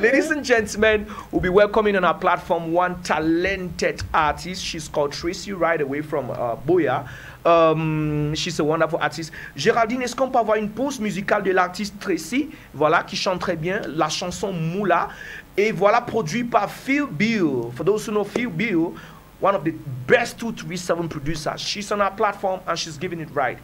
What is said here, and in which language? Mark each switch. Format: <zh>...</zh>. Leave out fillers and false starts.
<en>Ladies and gentlemen, we'll be welcoming on our platform one talented artist. She's called Tracy right away from Boya. She's a wonderful artist.</en> <fr>Géraldine, est-ce qu'on peut avoir une pause musicale de l'artiste Tracy? Voilà, qui chante très bien la chanson Moula. Et voilà, produit par Phil Bill.</fr> <en>For those who know Phil Bill, one of the best 237 producers. She's on our platform and she's giving it right.</en>